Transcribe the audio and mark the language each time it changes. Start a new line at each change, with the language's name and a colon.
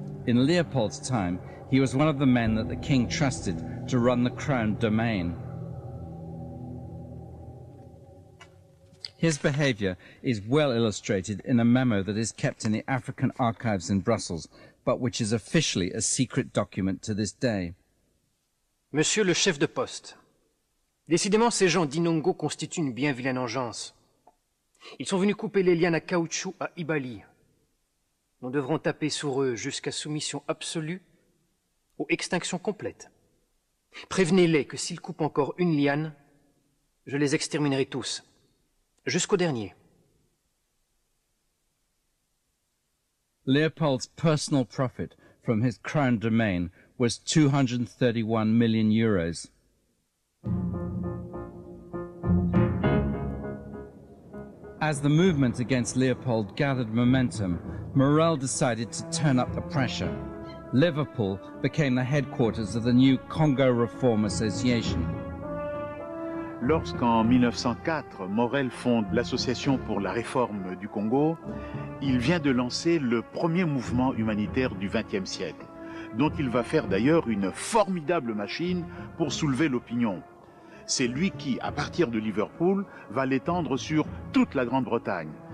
English: In Leopold's time, he was one of the men that the king trusted to run the crown domain. His behavior is well illustrated in a memo that is kept in the African archives in Brussels, but which is officially a secret document to this day.
French: Monsieur le chef de poste, décidément ces gens d'Inongo constituent une bien vilaine engeance. Ils sont venus couper les lianes à caoutchouc à Ibali. Nous devrons taper sur eux jusqu'à soumission absolue ou extinction complète. Prévenez-les que s'ils coupent encore une liane, je les exterminerai tous. Jusqu'au dernier.
English: Leopold's personal profit from his crown domain was 231 million euros. As the movement against Leopold gathered momentum, Morel decided to turn up the pressure. Liverpool became the headquarters of the new Congo Reform Association.
French: Lorsqu'en 1904, Morel fonde l'Association pour la réforme du Congo, il vient de lancer le premier mouvement humanitaire du XXe siècle, dont il va faire d'ailleurs une formidable machine pour soulever l'opinion. C'est lui qui, à partir de Liverpool, va l'étendre sur toute la Grande-Bretagne.